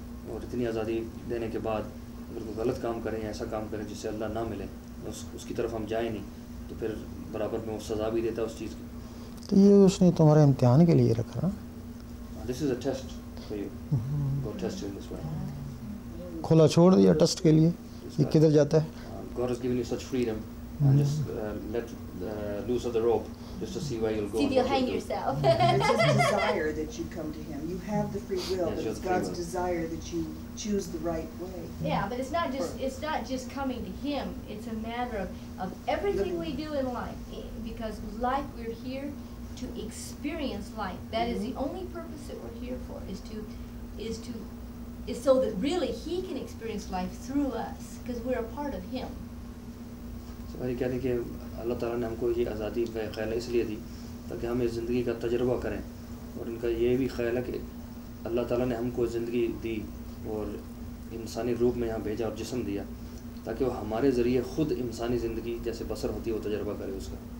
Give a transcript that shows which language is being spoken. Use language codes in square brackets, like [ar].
[ur] اور اتنی آزادی دینے کے بعد اگر کوئی غلط کام کرے یا ایسا کام کرے جسے اللہ نہ ملے, اس کی طرف ہم جائیں نہیں, تو پھر برابر میں وہ سزا بھی دیتا اس چیز کی. تو یہ اس نے تمہارے امتحان کے لیے رکھا نا. [en] This is a test for you, go test in this way. [ur] کھلا چھوڑ دیا ٹیسٹ کے لیے, یہ کدھر جاتا ہے؟ [en] God has given you such freedom, just let loose of the rope. Just to see where you'll go. See if you'll hang yourself. It's his desire that you come to him. You have the free will, but it's God's desire that you choose the right way. Yeah, but it's not just coming to him. It's a matter of everything we do in life. Because life, we're here to experience life. That mm-hmm. is the only purpose that we're here for, is so that really he can experience life through us, because we're a part of him. [ur] ہماری کہنے کہ اللہ تعالیٰ نے ہم کو یہ آزادی کا خیال اس لیے دی تاکہ ہم اس زندگی کا تجربہ کریں. اور ان کا یہ بھی خیال ہے کہ اللہ تعالیٰ نے ہم کو زندگی دی اور انسانی روپ میں یہاں بھیجا اور جسم دیا تاکہ وہ ہمارے ذریعے خود انسانی زندگی جیسے بسر ہوتی ہے وہ تجربہ کرے اس کا.